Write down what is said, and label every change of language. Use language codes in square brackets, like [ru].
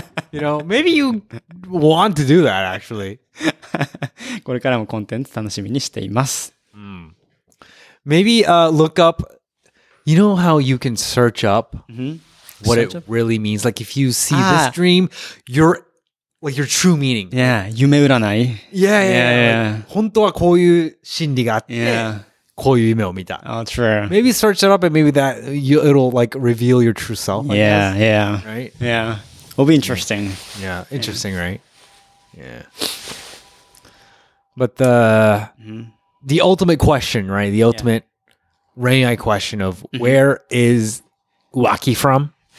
[en] You know, maybe you want to do that, actually. [ja] これからもコンテンツ楽しみにしています。 [en] Maybe look up, you know how you can search up what it really means? Like if you see this dream, you're... Like your true meaning. Yeah, 夢占い。 Yeah, yeah, yeah. [ja] Like, 本当はこういう心理があって、こういう夢を見た。 [en] Oh, true. Maybe search it up and maybe that it'll like reveal your true self. Yeah, yeah. Right? Yeah. It'll be interesting. Yeah, interesting, right? Yeah. But the ultimate question, right? The ultimate rainy question of where is Waki from?